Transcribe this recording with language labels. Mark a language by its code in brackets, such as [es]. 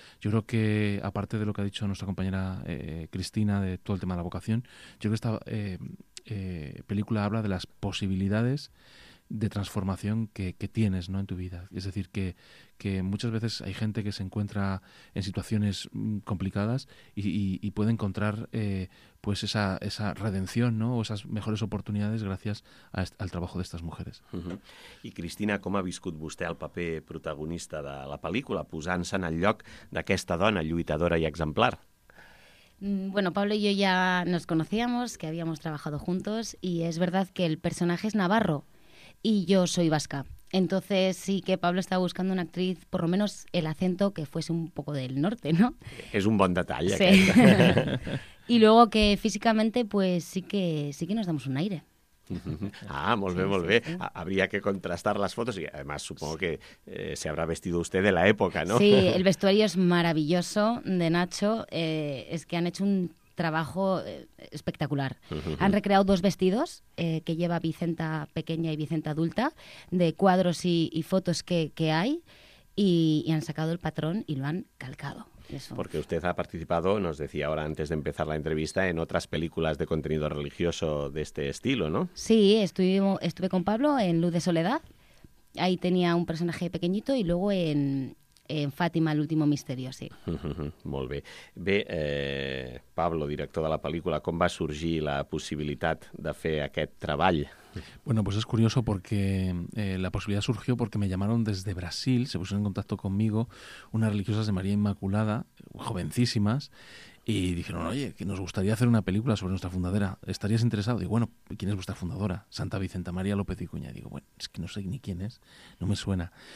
[es] Yo creo que, aparte de lo que ha dicho nuestra compañera Cristina de todo el tema de la vocación, yo creo que esta película habla de las posibilidades de transformación que tienes, ¿no?, en tu vida. Es decir, que muchas veces hay gente que se encuentra en situaciones complicadas y puede encontrar pues esa redención, ¿no?, o esas mejores oportunidades gracias al trabajo de estas mujeres. [ca] Uh-huh. I Cristina, com ha viscut vostè el paper protagonista de la pel·lícula, posant-se en el lloc d'aquesta dona lluitadora i exemplar? [es] Bueno, Pablo y yo ya nos conocíamos, que habíamos trabajado juntos, y es verdad que el personaje es navarro y yo soy vasca. Entonces sí que Pablo estaba buscando una actriz, por lo menos el acento, que fuese un poco del norte, ¿no? Es un buen detalle. Sí. Y luego que físicamente, pues sí que nos damos un aire. [ca] Ah, molt bé, sí, molt bé. Sí, sí. [es] Habría que contrastar las fotos y además supongo que se habrá vestido usted de la época, ¿no? Sí, el vestuario es maravilloso de Nacho. Es que han hecho un trabajo espectacular. Han recreado dos vestidos que lleva Vicenta pequeña y Vicenta adulta, de cuadros y fotos que hay, y han sacado el patrón y lo han calcado. Eso. Porque usted ha participado, nos decía ahora antes de empezar la entrevista, en otras películas de contenido religioso de este estilo, ¿no? Sí, estuve con Pablo en Luz de Soledad. Ahí tenía un personaje pequeñito y luego en Fátima, el último misterio, sí. [ca] Molt bé. Bé, Pablo, director de la pel·lícula, ¿com va sorgir la possibilitat de fer aquest treball? [es] Bueno, pues es curioso porque la posibilidad surgió porque me llamaron desde Brasil, se pusieron en contacto conmigo unas religiosas de María Inmaculada, jovencísimas, Y dijeron, oye, que nos gustaría hacer una película sobre nuestra fundadora. ¿Estarías interesado? Digo, bueno, ¿quién es vuestra fundadora? Santa Vicenta María López Vicuña. Digo, bueno, es que no sé ni quién es, no me suena.